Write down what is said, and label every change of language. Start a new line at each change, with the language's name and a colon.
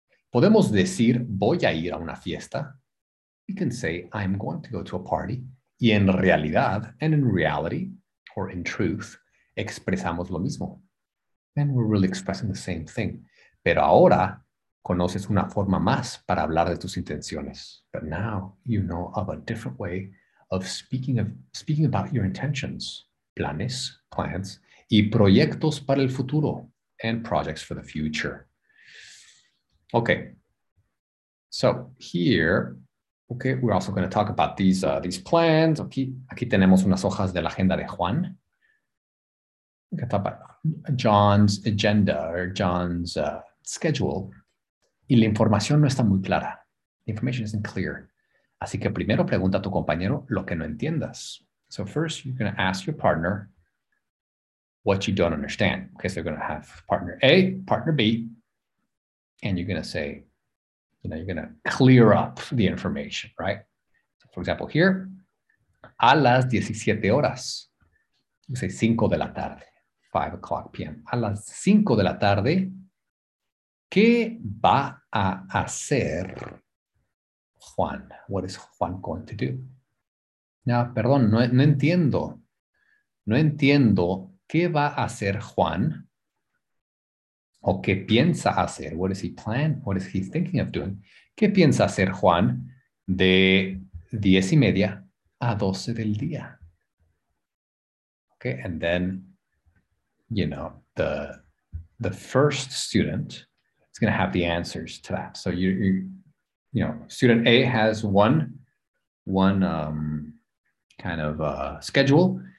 Spanish: Podemos decir voy a ir a una fiesta.
English: We can say I'm going to go to a party.
Spanish: Y en realidad,
English: and in reality, or in truth,
Spanish: expresamos lo mismo.
English: And we're really expressing the same thing.
Spanish: Pero ahora conoces una forma más para hablar de tus intenciones.
English: But now you know of a different way of speaking about your intentions, planes, plans,
Spanish: y proyectos para el futuro,
English: and projects for the future. Okay. So here, okay, we're also going to talk about these plans.
Spanish: Aquí tenemos unas hojas de la agenda de Juan.
English: We can talk about John's agenda or John's schedule.
Spanish: Y la información no está muy clara.
English: The information isn't clear.
Spanish: Así que primero pregunta a tu compañero lo que no entiendas.
English: So first, you're going to ask your partner what you don't understand. Okay, so you're going to have partner A, partner B, and you're going to say, you know, you're going to clear up the information, right? So for example, here,
Spanish: a las 17 horas.
English: You say
Spanish: 5 de la tarde.
English: 5 o'clock p.m.
Spanish: A las 5 de la tarde, ¿qué va a hacer Juan?
English: What is Juan going to do?
Spanish: No, perdón, no entiendo. No entiendo qué va a hacer Juan o qué piensa hacer.
English: What is he planning? What is he thinking of doing?
Spanish: ¿Qué piensa hacer Juan de 10 y media a 12 del día?
English: Okay, and then, you know, the first student is going to have the answers to that. So you know, student A has one kind of schedule.